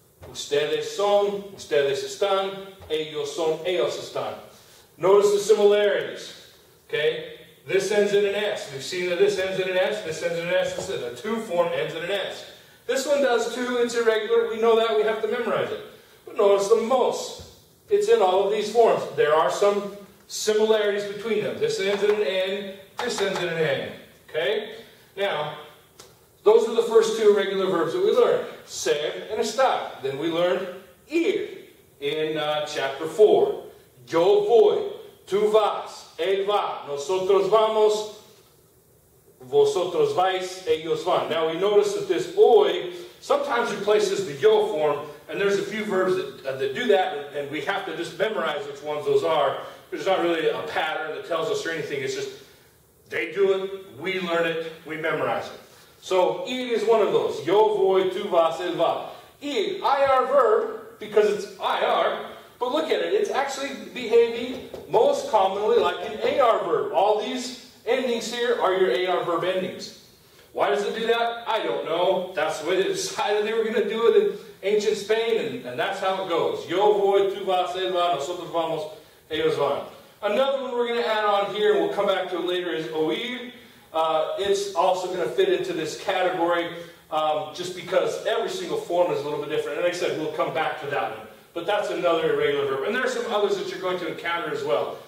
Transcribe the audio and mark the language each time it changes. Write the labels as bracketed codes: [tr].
[es] Ustedes son, ustedes están, ellos son, ellos están. [en] Notice the similarities. Okay? This ends in an S. We've seen that this ends in an S, this ends in an S. This is a two form, ends in an S. This one does too, it's irregular. We know that, we have to memorize it. But notice the most. It's in all of these forms. There are some similarities between them. This ends in an N, this ends in an N. Okay? Now, those are the first two irregular verbs that we learned, ser and estar. Then we learned ir in chapter 4. [es] Yo voy, tú vas, él va, nosotros vamos, vosotros vais, ellos van. [en] Now we notice that this voy sometimes replaces the yo form, and there's a few verbs that do that, and we have to just memorize which ones those are. There's not really a pattern that tells us or anything, it's just they do it, we learn it, we memorize it. So, ir is one of those. [es] Yo voy, tú vas, él va. [en] Ir, IR verb, because it's IR, but look at it. It's actually behaving most commonly like an AR verb. All these endings here are your AR verb endings. Why does it do that? I don't know. That's the way they decided they were going to do it in ancient Spain, and that's how it goes. [es] Yo voy, tú vas, él va, nosotros vamos, ellos van. [en] Another one we're going to add on here, and we'll come back to it later, is oír. It's also going to fit into this category, just because every single form is a little bit different. And like I said, we'll come back to that one. But that's another irregular verb. And there are some others that you're going to encounter as well.